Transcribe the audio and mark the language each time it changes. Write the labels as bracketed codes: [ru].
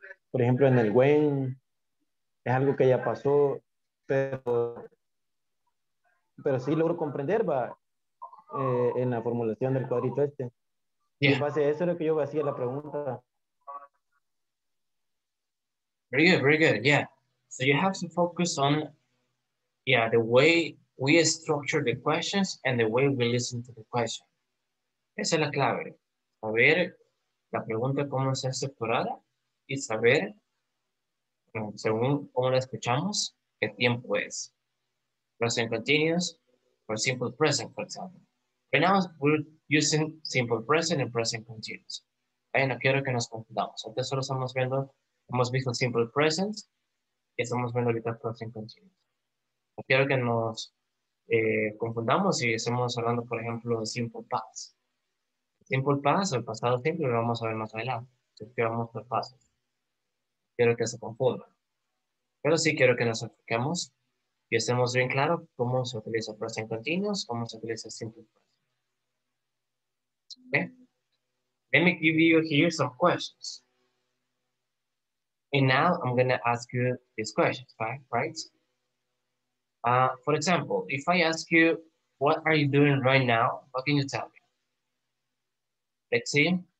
[es] Por ejemplo, en el WEN, es algo que ya pasó, pero sí logro comprender, va, en la formulación del cuadrito este. Yeah. Y en base a eso era que yo hacía la pregunta. [en] Very good, very good, yeah. So you have to focus on, yeah, the way we structure the questions and the way we listen to the question. [es] Esa es la clave. A ver, la pregunta cómo se ha estructurada. Y saber, según cómo la escuchamos, qué tiempo es. [en] Present continuous or simple present, for example. Right now, we're using simple present and present continuous. [es] Ahí no quiero que nos confundamos. Antes solo estamos viendo, hemos visto simple present y estamos viendo ahorita present continuous. No quiero que nos confundamos si estamos hablando, por ejemplo, de simple past. Simple past, el pasado simple, lo vamos a ver más adelante. Si vamos por pasos. Quiero que se confundan. Pero sí quiero que nos enfoquemos y estemos bien claros cómo se utiliza present continuous, cómo se utiliza simple present. [en] Okay. Let me give you here some questions. And now I'm going to ask you these questions, right? For example, if I ask you, what are you doing right now? What can you tell me? Let's see.